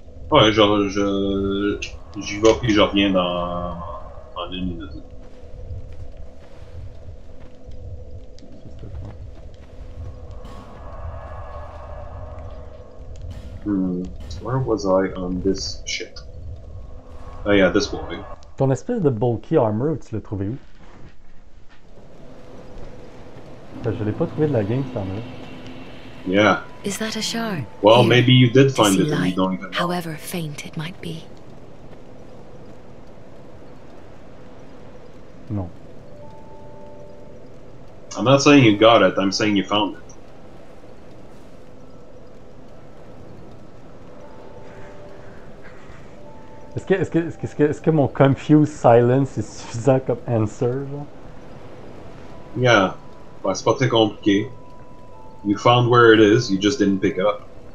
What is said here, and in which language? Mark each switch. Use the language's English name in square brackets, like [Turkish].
[French] Ouais, j'y vais puis je reviens dans une minute. [English] Where was I on this shit? Oh yeah, this boy. [French] Ton espèce de [English] bulky armor, [French] tu l'as trouvé où? Je l'ai pas trouvé de la game, cette armure. [English] Yeah. Is that a shard? Well, here, maybe you did find it, and you don't even know. However faint it might be. [French] Non. [English] I'm not saying you got it, I'm saying you found it. [French] Est-ce que mon [English] confused silence [French] est suffisant comme answer, genre? Yeah. Ben, c'est pas très compliqué. [English] You found where it is, you just didn't pick up.